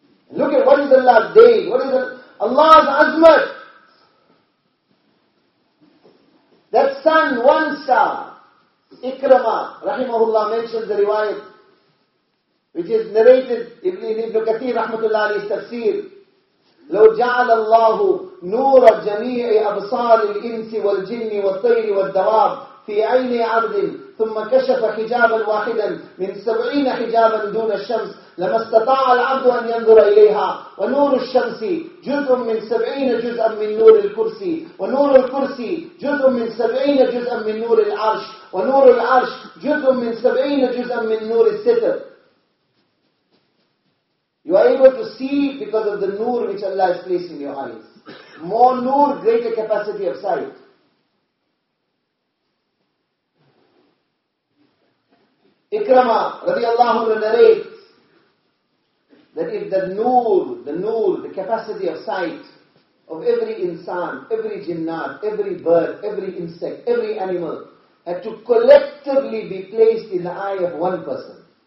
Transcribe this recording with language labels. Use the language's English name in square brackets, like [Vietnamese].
[English] Look at what is Allah's day. What is Allah's azmat? That sun, one star, Ikrama, rahimahullah, mentions the riwayat, which is narrated Ibn Kathir, rahmatullah, in his tafsir. [Arabic] لو جعل الله نور جميع أبصار الإنس والجن والطير والدواب في عين عبد ثم كشف حجابا واحدا من 70 حجابا دون الشمس لما استطاع العبد أن ينظر إليها ونور الشمس جزء من 70 جزءا من نور الكرسي ونور الكرسي جزء من 70 جزءا من نور العرش ونور العرش جزء من 70 جزءا من نور الستر. [English] You are able to see because of the nur which Allah has placed in your eyes. More nur, greater capacity of sight. Ikrama radiallahu anhu narrates that if the nur, the capacity of sight of every insan, every jinnat, every bird, every insect, every animal had to collectively be placed in the eye of one person.